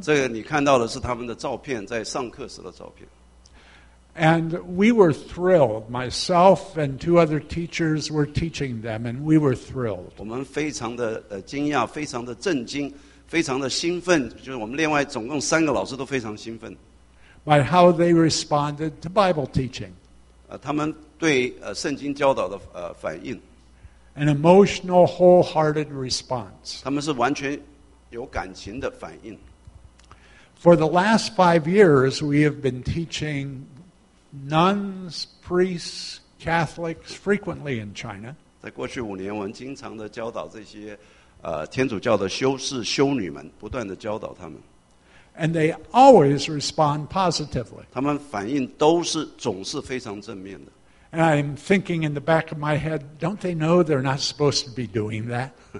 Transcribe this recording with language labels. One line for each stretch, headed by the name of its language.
Chinese: 这个你看到的是他们的照片，在上课时的照片。
English: And we were thrilled. Myself and 2 other teachers were teaching them, and we were thrilled.
Chinese: 我们非常的惊讶，非常的震惊，非常的兴奋，就是我们另外总共3个老师都非常兴奋。
English: By how they responded to Bible teaching.
Chinese: 他们对圣经教导的反应。
English: an emotional, wholehearted response.
Chinese: 他们是完全有感情的反应。
English: For the last 5 years, we have been teaching nuns, priests, Catholics frequently in China.
Chinese: 在过去五年，我们经常的教导这些 天主教的修士修女们，不断的教导他们。
English: And they always respond positively.
Chinese: 他们反应都是总是非常正面的。
English: And I'm thinking in the back of my head, don't they know they're not supposed to be doing that?